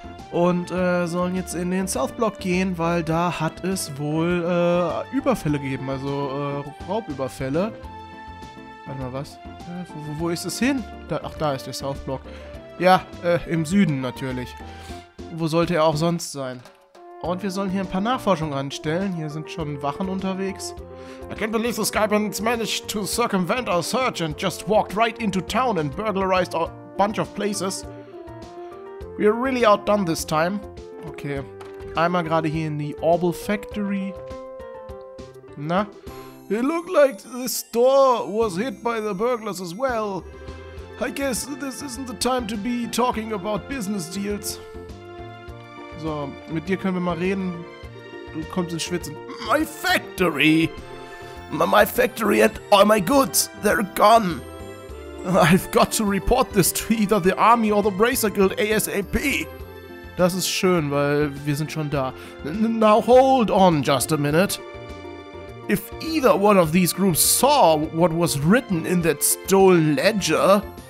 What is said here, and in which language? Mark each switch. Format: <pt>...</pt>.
<de>Und sollen jetzt in den South Block gehen, weil da hat es wohl Überfälle gegeben, also Raubüberfälle. Warte mal, was? Wo ist es hin? Da ist der South Block. Ja, im Süden natürlich. Wo sollte er auch sonst sein? Und wir sollen hier ein paar Nachforschungen anstellen. Hier sind schon Wachen unterwegs.</de> <en>I can't believe the Skypans managed to circumvent our search and just walked right into town and burglarized a bunch of places. We're really outdone this time.</en> <de>Okay. Einmal gerade hier in die Orbel Factory. Na?</de> <en>It looked like this door was hit by the burglars as well. I guess this isn't the time to be talking about business deals.</en> <de>So, mit dir können wir mal reden. Du kommst ins Schwitzen.</de> <en>My factory! My factory and all my goods, they're gone. I've got to report this to either the Army or the Bracer Guild ASAP.</en> <de>Das ist schön, weil wir sind schon da.</de> <en>Now hold on just a minute. If either one of these groups saw what was written in that stolen ledger...</en>